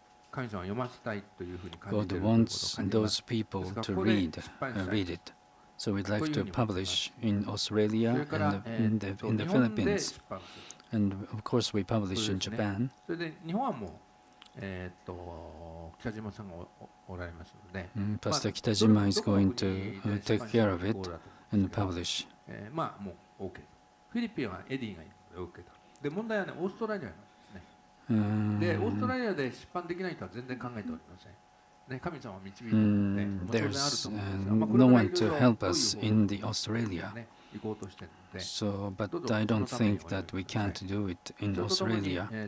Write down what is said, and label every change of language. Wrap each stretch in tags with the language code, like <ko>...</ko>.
<ja>神様を読ませたいというふうに感じている。</ja> <en>God wants those people to read it. So we'd like to publish in Australia and in the Philippines. And of course we publish in Japan.</en> <ja>それで日本はもう北島さんがおられますので、</ja> <en>Pastor Kitajima is going to take care of it and publish.</en> <ja>まあもう OK。フィリピンはエディが受けた。で、問題は、ね、オーストラリアなんですね。で、オーストラリアで出版できないとは全然考えておりません。ね、神様を導いているので、もちろんあると思うんですが、</ja> <en>No one to help us in the Australia. So, but I don't think that we can't do it in Australia.</en>